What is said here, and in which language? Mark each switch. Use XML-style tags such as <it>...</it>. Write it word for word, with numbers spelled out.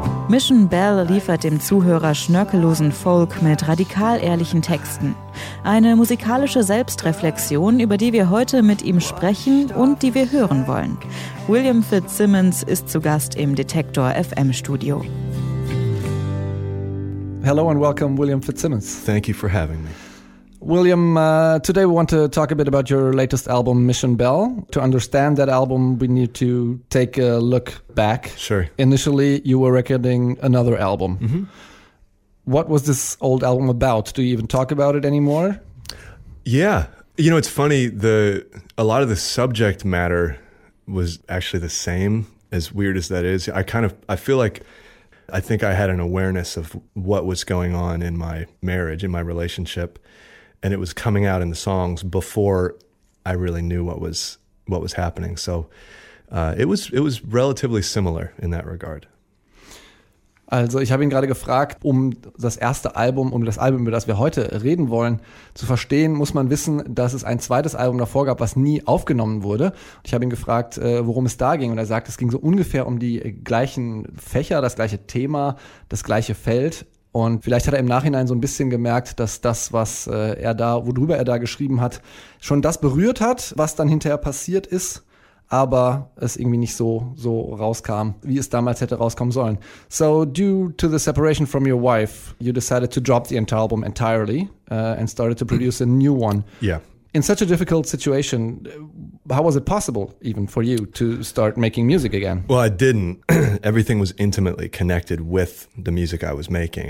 <de>Mission Bell liefert dem Zuhörer schnörkellosen Folk mit radikal ehrlichen Texten. Eine musikalische Selbstreflexion, über die wir heute mit ihm sprechen und die wir hören wollen. William Fitzsimmons ist zu Gast im Detektor F M Studio.</de> <en>Hello and welcome, William Fitzsimmons. Thank you for having me. William, uh, today we want to talk a bit about your latest album, Mission Bell. To understand that album, we need to take a look back. Sure. Initially, you were recording another album. Mm-hmm. What was this old album about? Do you even talk about it anymore? Yeah. You know, it's funny, the a lot of the subject matter was actually the same, as weird as that is. I kind of, I feel like... I think I had an awareness of what was going on in my marriage, in my relationship, and it was coming out in the songs before I really knew what was what was happening. So uh, it was it was relatively similar in that regard.</en> <de>Also, ich habe ihn gerade gefragt, um das erste Album, um das Album, über das wir heute reden wollen, zu verstehen, muss man wissen, dass es ein zweites Album davor gab, was nie aufgenommen wurde. Ich habe ihn gefragt, worum es da ging. Und er sagt, es ging so ungefähr um die gleichen Fächer, das gleiche Thema, das gleiche Feld. Und vielleicht hat er im Nachhinein so ein bisschen gemerkt, dass das, was er da, worüber er da geschrieben hat, schon das berührt hat, was dann hinterher passiert ist. Aber es irgendwie nicht so so rauskam, wie es damals hätte rauskommen sollen.</de> <en>So due to the separation from your wife, you decided to drop the entire album entirely uh, and started to produce a new one. Yeah. In such a difficult situation, how was it possible even for you to start making music again? Well, I didn't. Everything was intimately connected with the music I was making.</en>